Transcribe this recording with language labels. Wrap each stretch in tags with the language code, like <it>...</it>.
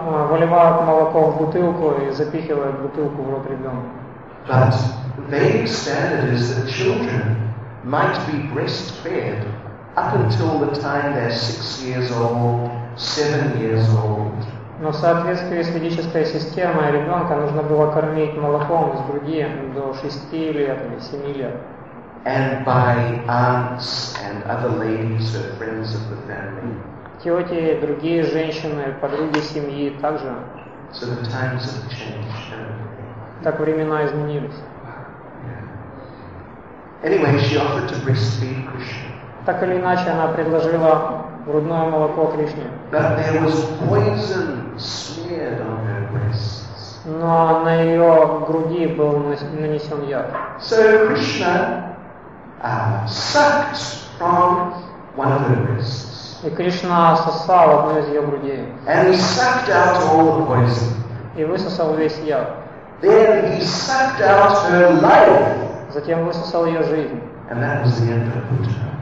<ru>Выливают молоко в бутылку и запихивают бутылку в рот ребенка.</ru> <en>But the vague standard is that children might be breastfed up until the time they're 6 years old, 7 years old.</en> <ru>Но в соответствии с ведической системой ребенка нужно было кормить молоком из груди до 6 лет или 7 лет.</ru> <en>And by aunts and other ladies or friends of the family.</en> <ru>Тети, другие женщины, подруги семьи также.</ru> <en>So the times have changed.</en> <ru>Так времена изменились.</ru> <en>Anyway, she offered to breastfeed Krishna.</en> <ru>Так или иначе, она предложила грудное молоко Кришне.</ru> <en>But there was poison smeared on her breasts.</en> <ru>Но на ее груди был нанесен яд.</ru> <en>So Krishna sucked from one of her breasts.</en> <ru>И Кришна сосал одну из ее грудей.</ru> <en>And he sucked out all the poison.</en> <ru>И высосал весь яд.</ru> <en>Then he sucked out her life.</en> <ru>Затем высосал ее жизнь.</ru> <en>And that was the end of Putana.</en>